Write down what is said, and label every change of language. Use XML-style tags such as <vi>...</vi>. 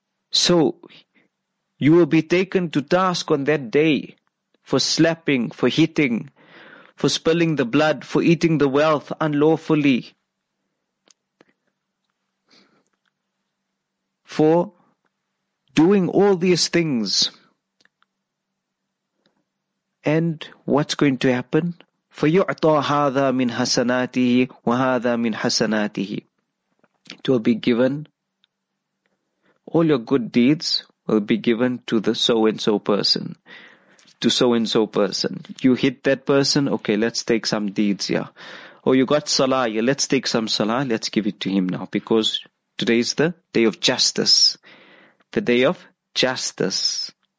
<en>So you will be taken to task on that day for slapping, for hitting, for spilling the blood, for eating the wealth unlawfully, for doing all these things. And what's going to happen?</en> <ar>فَيُعْطَى هَذَا مِنْ حَسَنَاتِهِ وَهَذَا مِنْ حَسَنَاتِهِ</ar> <en>It will be given. All your good deeds will be given to the so-and-so person. To so-and-so person. You hit that person, okay, let's take some deeds here. Or you got salah, yeah, let's take some salah, let's give it to him now. Because Today is the day of justice. The day of justice.</en>